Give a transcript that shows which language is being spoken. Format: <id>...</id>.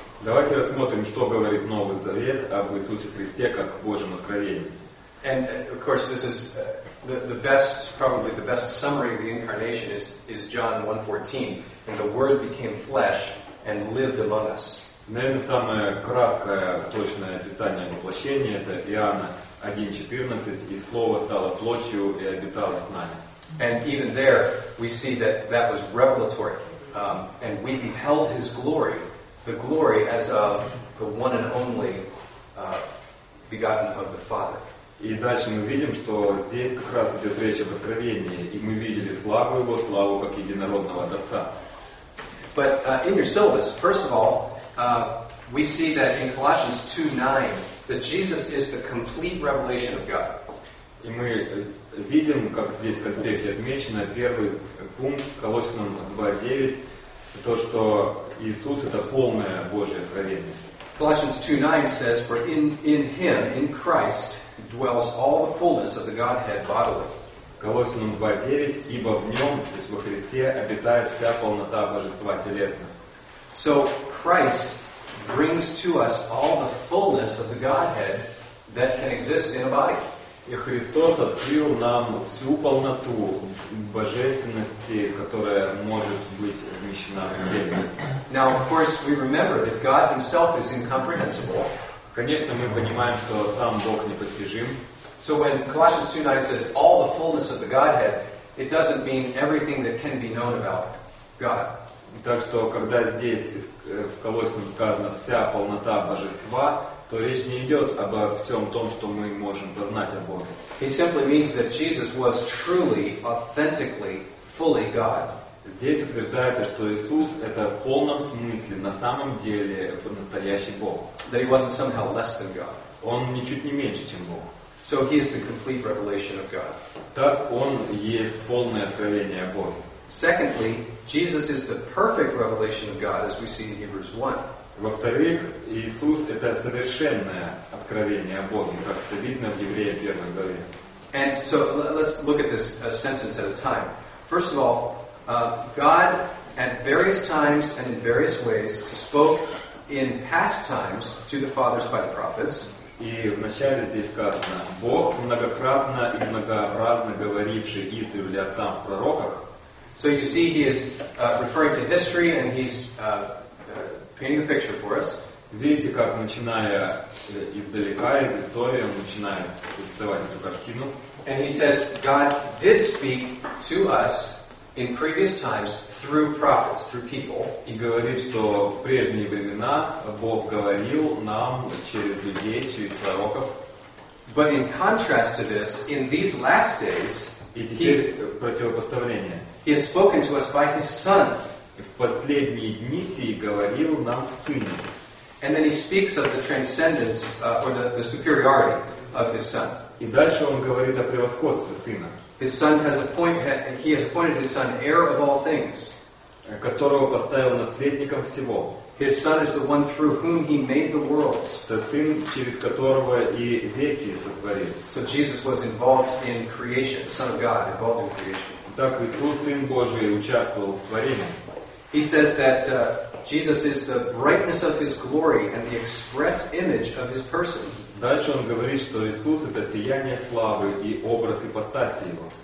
<ru>Давайте рассмотрим, что говорит Новый Завет об Иисусе Христе как Божьем откровении.</ru> <en>And of course, this is the best summary of the incarnation is John 1:14, and the Word became flesh and lived among us.</en> <ru>Наверное, самое краткое, точное описание воплощения это Иоанна 1:14, и Слово стало плотью и обитало с нами.</ru> <en>And even there, we see that was revelatory, and we beheld His glory, the glory as of the one and only begotten of the Father.</en> <ru>И дальше мы видим, что здесь как раз идет речь об откровении, и мы видели славу Его, славу как единородного от Отца.</ru> <en>But in your syllabus, first of all, we see that in Colossians 2:9 that Jesus is the complete revelation of God.</en> <ru>И мы видим, как здесь в конспекте отмечено, первый пункт Колоссянам 2:9, то, что Иисус это полное Божье откровение.</ru> <en>Colossians 2:9 says, for in Him, in Christ, dwells all the fullness of the Godhead bodily.</en> <ru>Колоссянам 2:9, ибо в нем, то есть во Христе, обитает вся полнота Божества телесно.</ru> <en>So Christ brings to us all the fullness of the Godhead that can exist in a body.</en> <ru>И Христос открыл нам всю полноту божественности, которая может быть вмещена в теле.</ru> <en>Now, of course, we remember that God Himself is incomprehensible.</en> <ru>Конечно, мы понимаем, что сам Бог непостижим.</ru> <en>So when Colossians 2:9 says all the fullness of the Godhead, it doesn't mean everything that can be known about God.</en> <ru>Так что, когда здесь в Колоссянам сказано вся полнота Божества, то речь не идет обо всем том, что мы можем познать о Боге.</ru> <en>It simply means that Jesus was truly, authentically, fully God.</en> <ru>Здесь утверждается, что Иисус это в полном смысле, на самом деле, настоящий Бог.</ru> <en>That He wasn't somehow less than God.</en> <ru>Он ничуть не меньше, чем Бог.</ru> <en>So He is the complete revelation of God.</en> <ru>Так Он есть полное откровение Бога.</ru> <en>Secondly, Jesus is the perfect revelation of God, as we see in Hebrews 1.</en> <ru>Во-вторых, Иисус это совершенное откровение Бога, как это видно в Евреям 1 главе.</ru> <en>And so let's look at this sentence at a time. First of all, God at various times and in various ways spoke in past times to the fathers by the prophets.</en> <ru>И вначале здесь сказано, Бог многократно и многоразно говоривший издревле отцам в пророках.</ru> <en>So you see he is referring to history and he's painting a picture for us.</en> <ru>Видите, как, начиная издалека, из истории, он начинает рисовать эту картину.</ru> <en>And he says, God did speak to us in previous times through prophets, through people.</en> <ru>И говорит, что в прежние времена Бог говорил нам через людей, через пророков.</ru> <en>But in contrast to this, in these last days,</en> <ru>и теперь противопоставление.</ru> <en>He has spoken to us by his son.</en> <ru>В последние дни сии говорил нам в сыне.</ru> <en>And then he speaks of the transcendence or the superiority of his son.</en> <ru>И дальше он говорит о превосходстве сына.</ru> <en>His son has appointed, he has appointed his son heir of all things.</en> <ru>Которого поставил наследником всего.</ru> <en>His son is the one through whom he made the worlds.</en> <ru>Это сын, через которого и веки сотворил.</ru> <en>So Jesus was involved in creation, the Son of God, involved in creation.</en> <ru>Так Иисус, Сын Божий, участвовал в творении.</ru> <en>He says that Jesus is the brightness of his glory and the express image of his person.</en> <ru>Дальше он говорит, что Иисус — это сияние славы и образ ипостаси его.</ru>